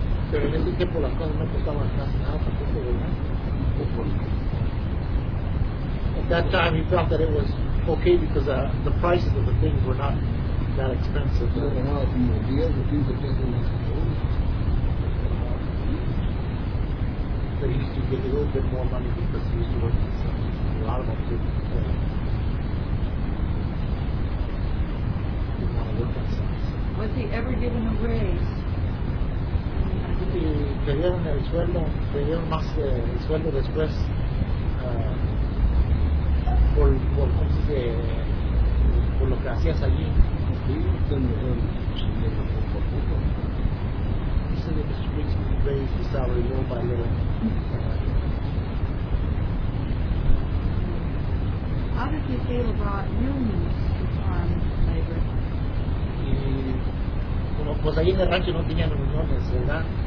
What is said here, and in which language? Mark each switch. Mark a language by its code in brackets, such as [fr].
[es] Pero en ese tiempo las cosas no costaban casi nada, tampoco, ¿verdad? [en] At that time, he felt that it was okay because the prices of the things were not that expensive. [es] Pero ganaba como 10 o 15 pesos más que todos. [en] But he used to give it a little bit more money because he used to work with some, a lot of them too. He didn't want to work on some. Was he ever given a raise? [es] Y te dieron el sueldo, te dieron más el sueldo después por lo que hacías allí. Sí, se me [en] raised the salary little by little. How did you feel about unions on labor? Y bueno, pues ahí en el rancho no tenían uniones, ¿verdad?